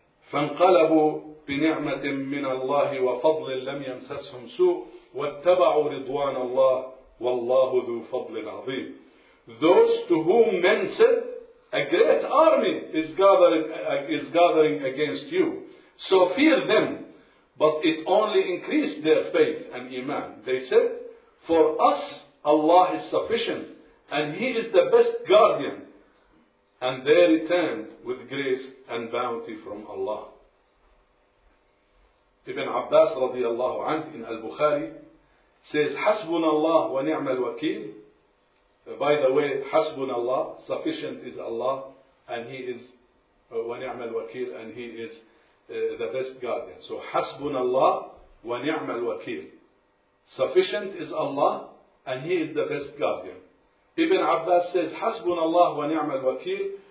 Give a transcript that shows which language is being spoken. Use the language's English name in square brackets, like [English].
[Arabic] فَانْقَلَبُوا بِنِعْمَةٍ مِنَ اللَّهِ وَفَضْلٍ لَمْ يَمْسَسْهُمْ سُوءٌ وَاتَّبَعُوا رِضْوَانَ اللَّهِ وَاللَّهُ ذُو فَضْلٍ عَظِيمٍ [English] Those to whom men said, a great army is gathering against you, so fear them. But it only increased their faith and iman. They said, for us, Allah is sufficient, and He is the best guardian. And they returned with grace and bounty from Allah. Ibn Abbas radiallahu anhu in Al-Bukhari says, [Arabic] حَسْبُنَ اللَّهُ وَنِعْمَ الْوَكِيلُ. [English] By the way, [Arabic] حَسْبُنَ اللَّهُ, [English] sufficient is Allah, and He is [Arabic] وَنِعْمَ الْوَكِيلُ, [English] and He is the best guardian. [Arabic] So, حَسْبُنَ اللَّهُ وَنِعْمَ الْوَكِيلُ. [English] Sufficient is Allah, and He is the best guardian. Ibn Abbas says, [Arabic] حَسْبُنَ اللَّهُ وَنِعْمَ الْوَكِيلُ.